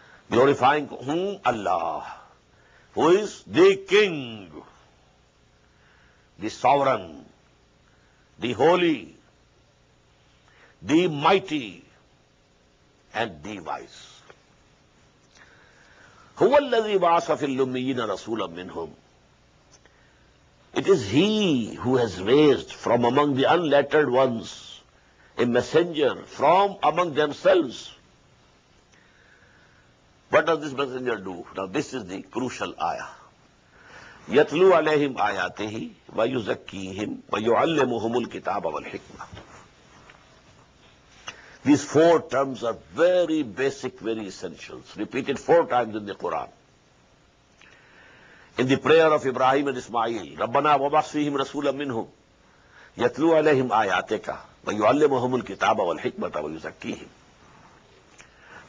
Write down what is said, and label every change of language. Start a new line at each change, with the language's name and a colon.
English: Glorifying whom? Allah, who is the King, the Sovereign, the Holy, the Mighty, and the Wise.
Arabic: هو الذي بعث في الأميين رسولا منهم.
English: It is he who has raised from among the unlettered ones a messenger from among themselves. What does this messenger do? Now this is the crucial ayah.
Arabic: يتلو عليهم آياته ويزكيهم ويعلمهم الكتاب والحكمة.
English: These four terms are very basic, very essential. Repeated four times in the Quran. In the prayer of Ibrahim and Ismail,
Arabic: رَبَّنَا وَبَعْثْ فِيهِمْ رَسُولًا مِّنْهُمْ يَتْلُوَ عَلَيْهِمْ آيَاتِكَ وَيُعَلِّمُهُمُ الْكِتَابَ وَالْحِكْمَةَ وَيُزَكِّيهِمْ.